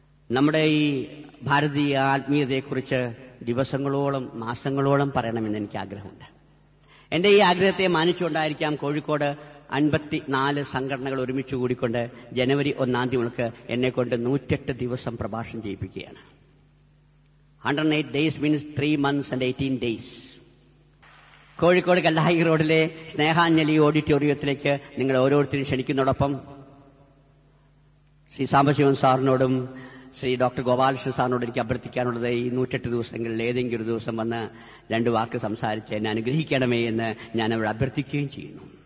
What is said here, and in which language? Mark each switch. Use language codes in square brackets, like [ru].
[ml] നമ്മുടെ ഈ ഭാരതീയ ആത്മീയതയെക്കുറിച്ച് ദിവസങ്ങളോളം മാസങ്ങളോളം പറയണമെന്ന് എനിക്ക് ആഗ്രഹമുണ്ട്. എൻ്റെ ഈ ആഗ്രഹത്തെ മാനിച്ചുകൊണ്ടായിരിക്കാം കോഴിക്കോട് 54 സംഘടനകൾ ഒരുമിച്ച് കൂടിക്കൊണ്ട് ജനുവരി 1 എന്നെ കൊണ്ട് 108 ദിവസം പ്രഭാഷണം ചെയ്യിപ്പിക്കുകയാണ്. [en] 108 days means 3 months and 18 days. [ml] Kozhikode കല്ലായി റോഡിലെ സ്നേഹാഞ്ജലി ഓഡിറ്റോറിയത്തിലേക്ക് നിങ്ങൾ ഓരോരുത്തരും ക്ഷണിക്കുന്നതോടൊപ്പം ശ്രീ സാംബശിവൻ സാറിനോടും ശ്രീ ഡോക്ടർ ഗോപാലകൃഷ്ണ സാറിനോടും എനിക്ക് അഭ്യർത്ഥിക്കാനുള്ളത് ഈ 108 ദിവസങ്ങളിൽ ഏതെങ്കിലും ഒരു ദിവസം വന്ന് രണ്ട് വാക്ക് സംസാരിച്ച് എന്നെ അനുഗ്രഹിക്കണമേ എന്ന് ഞാൻ അവിടെ അഭ്യർത്ഥിക്കുകയും ചെയ്യുന്നു.